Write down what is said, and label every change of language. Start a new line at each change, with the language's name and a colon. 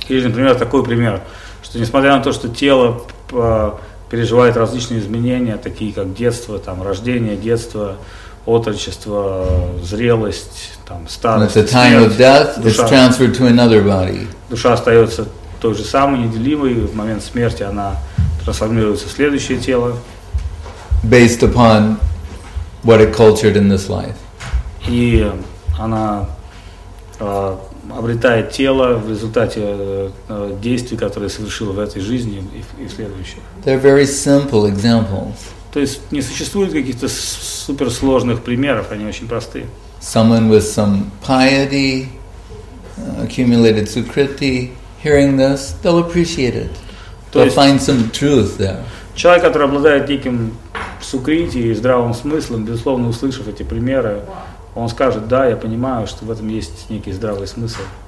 Russian: Или, например, такой пример, что несмотря на то, что тело переживает различные изменения, такие как детство, там, рождение, детство, отрочество, зрелость, там, старость,
English: and at the time
Russian: смерть,
English: of death, it's transferred to another body.
Russian: Душа остается той же самой, неделимой, в момент смерти она трансформируется в следующее тело.
English: Based upon what it cultured in this life.
Russian: И она обретает тело в результате действий, которые совершила в этой жизни и в следующей.
English: They're very simple examples.
Russian: То есть не существует каких-то суперсложных примеров, они очень простые.
English: Someone with some piety, accumulated sukriti, hearing this, they'll appreciate it. They'll find some truth there.
Russian: Человек, который обладает неким сукрити и здравым смыслом, безусловно, услышав эти примеры, он скажет: да, я понимаю, что в этом есть некий здравый смысл.